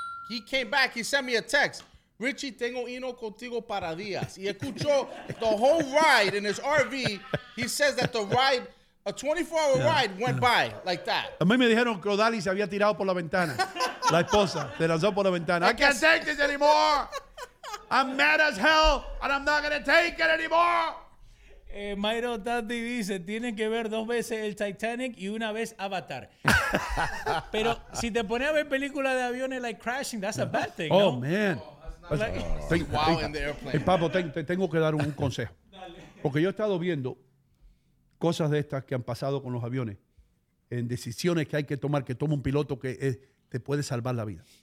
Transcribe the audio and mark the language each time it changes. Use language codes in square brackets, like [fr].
[en] He came back, he sent me a text. Richie, [es] tengo Hino Contigo para días. Y escuchó [en] the whole ride in his RV. He says that the ride... A 24-hour ride went by like that. [es] A mí me dijeron que Odalis se había tirado por la ventana. La esposa se lanzó por la ventana. [en] I can't take this anymore. I'm mad as hell and I'm not going to take it anymore. [es] Mayro Tati dice, tienen que ver 2 veces el Titanic y 1 vez Avatar. Pero si te pones a ver películas de aviones [en] like Crashing, that's a bad thing, oh, Oh, man. Wow, in the airplane. [es] Papo, te tengo que dar un consejo. Dale. Porque yo he estado viendo cosas de estas que han pasado con los aviones, en decisiones que hay que tomar, que toma un piloto que te puede salvar la vida.